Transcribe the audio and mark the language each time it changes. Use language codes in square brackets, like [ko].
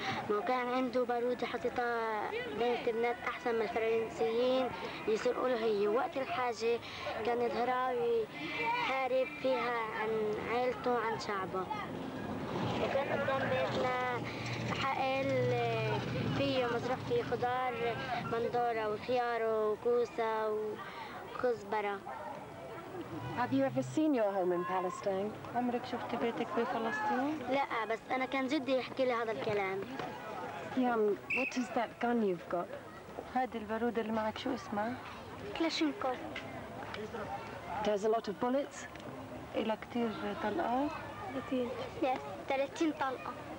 [ar] وكان عنده بارود حطيتها بين البنات أحسن من الفرنسيين يسرقوا له هي وقت الحاجة كان يظهرها ويحارب فيها عن عائلته وعن شعبه وكان قدام بيتنا حائل فيه مزرعة فيه خضار مندورة وخيار وكوسة وكزبرة [en] Have you ever seen your home in Palestine? [ar] عمرك شفت بيتك في فلسطين؟ لا بس أنا كان جدي يحكي لي هذا الكلام. [en] Yeah, what is that gun you've got? [ar] هذه البارود اللي معك شو اسمها؟ كلاشينكوف. [en] It has a lot of bullets. [ar] إلها كتير طلقات. 30 طلقة.